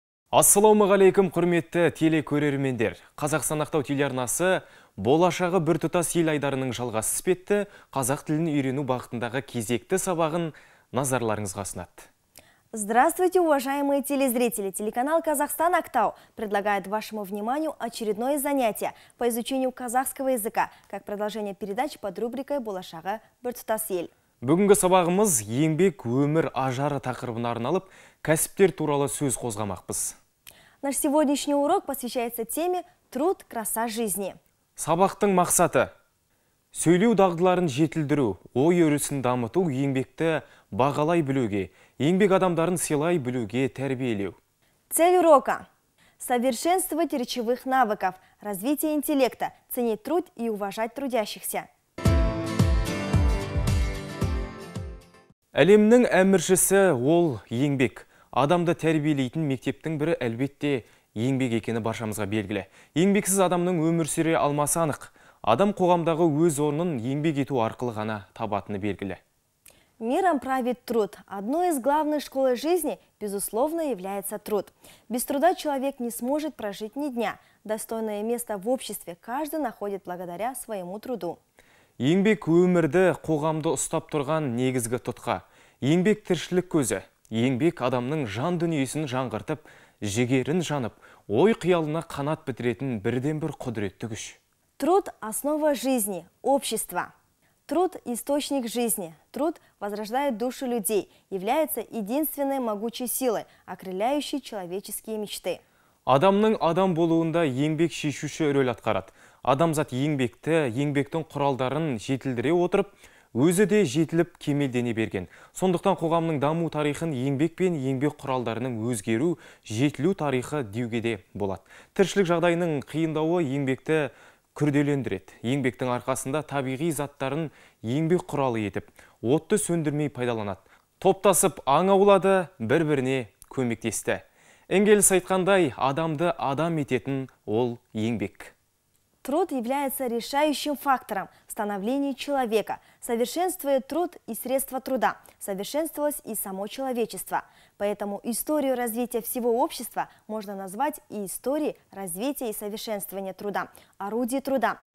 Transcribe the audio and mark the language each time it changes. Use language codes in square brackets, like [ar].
[kk] Ассаламу алейкум, құрметті телекөрермендер. Қазақстан Ақтау телеарнасы болашағы біртұтас ел айдарының жалғасы іспетті, қазақ тілін үйрену бағытындағы кезекті сабағын назарларыңызға ұсынады. [ru] Здравствуйте, уважаемые телезрители! Телеканал «Казахстан Актау» предлагает вашему вниманию очередное занятие по изучению казахского языка, как продолжение передач под рубрикой «Болашағы біртұтас ел». [kk] Бүгінгі сабағымыз «Еңбек, өмір, ажары» тақырыбын арналып, кәсіптер туралы сөз қозғамақпыз. [ru] Наш сегодняшний урок посвящается теме «Труд, краса жизни». [kk] Сабақтың мақсаты – сөйлеу дағдыларын жетілдіру, ой өрісін дамыту, еңбекті бағалай білуге, еңбек адамдарын селай білуге тәрбиелеу. [ru] Цель урока – совершенствовать речевых навыков, развитие интеллекта, ценить труд и уважать трудящихся. [kk] Әлемнің әміршісі ол еңбек. Адамды тәрбиелейтін мектептің бірі әлбетте еңбек екені баршамызға белгілі. Еңбексіз адамның өмір сүре алмасы анық. Адам қоғамдағы өз орнын еңбек ету арқылы ғана табатыны белгілі. [ru] Миром правит труд. Одной из главных школ жизни, безусловно, является труд. Без труда человек не сможет прожить ни дня. Достойное место в обществе каждый находит благодаря своему труду. [kk] Еңбек өмірді қоғамды ұстап тұрған негізгі тұтқа. Еңбек тіршілік көзі. Еңбек адамның жан дүниесін жаңғыртып, жігерін жанып, ой қиялына қанат бітіретін бірден-бір құдіретті күш. [ru] Труд – основа жизни, общества. Труд – источник жизни. Труд возрождает души людей, является единственной могучей силой, окрыляющей человеческие мечты. [kk] Адамның адам болуында еңбек шешуші рөл атқарады. Адамзат еңбекті, еңбектің құралдарын жетілдіре отырып, өзі де жетіліп кемелдене берген. Сондықтан қоғамның даму тарихын еңбек пен еңбек құралдарының өзгеру, жетілу тарихы деуге де болады. Тіршілік жағдайының қиындауы еңбекті күрделендіреді. Еңбектің арқасында табиғи заттарын еңбек құралы етіп, отты сөндірмей пайдаланады. Топтасып аң аулады, бір-біріне көмектесті. Энгельс айтқандай, адамды адам ететін ол еңбек. [ru] Труд является решающим фактором в становлении человека, совершенствуя труд и средства труда, совершенствовалось и само человечество. Поэтому историю развития всего общества можно назвать и историей развития и совершенствования труда, орудия труда.